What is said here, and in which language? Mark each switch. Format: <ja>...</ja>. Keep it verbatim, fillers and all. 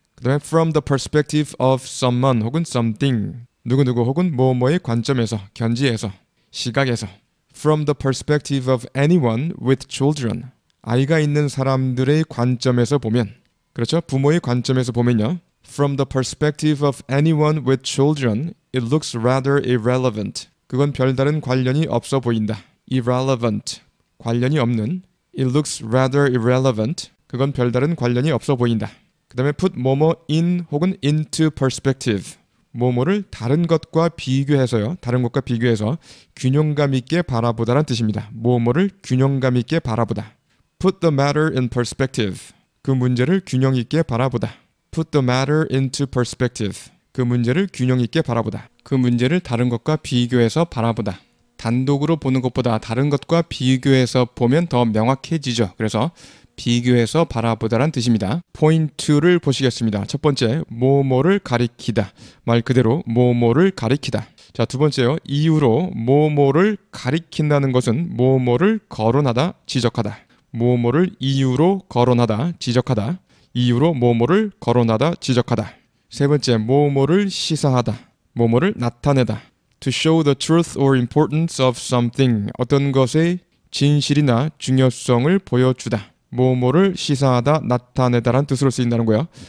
<ko>그 다음에</ko> <en>from the perspective of someone 혹은 something.</en> <ko>누구누구 혹은 뭐뭐의 관점에서, 견지에서, 시각에서.</ko> <en>From the perspective of anyone with children.</en> <ko>아이가 있는 사람들의 관점에서 보면, 그렇죠? 부모의 관점에서 보면요.</ko> <en>From the perspective of anyone with children, it looks rather irrelevant.</en> <ko>그건 별다른 관련이 없어 보인다.</ko> <en>Irrelevant.</en> <ko>관련이 없는.</ko> <en>It looks rather irrelevant.</en> <ko>그건 별다른 관련이 없어 보인다. 그 다음에 put 뭐뭐 in 혹은 into perspective. 뭐뭐를 다른 것과 비교해서요. 다른 것과 비교해서 균형감 있게 바라보다라는 뜻입니다. 뭐뭐를 균형감 있게 바라보다.</ko> <en>Put the matter in perspective.</en> <ko>그 문제를 균형 있게 바라보다.</ko> <en>Put the matter into perspective.</en> <ko>그 문제를 균형 있게 바라보다. 그 문제를 다른 것과 비교해서 바라보다. 단독으로 보는 것보다 다른 것과 비교해서 보면 더 명확해지죠. 그래서 비교해서 바라보다란 뜻입니다. 포인트 이를 보시겠습니다. 첫 번째, 뭐뭐를 가리키다. 말 그대로 뭐뭐를 가리키다. 자, 두 번째요. 이유로 뭐뭐를 가리킨다는 것은 뭐뭐를 거론하다, 지적하다. 뭐뭐를 이유로 거론하다, 지적하다. 이유로 뭐뭐를 거론하다, 지적하다. 세 번째, 뭐뭐를 시사하다. 뭐뭐를 나타내다.</ko> <en>To show the truth or importance of something.</en> <ko>어떤 것의 진실이나 중요성을 보여주다. 뭐뭐를 시사하다, 나타내다란 뜻으로 쓰인다는 거예요.</ko>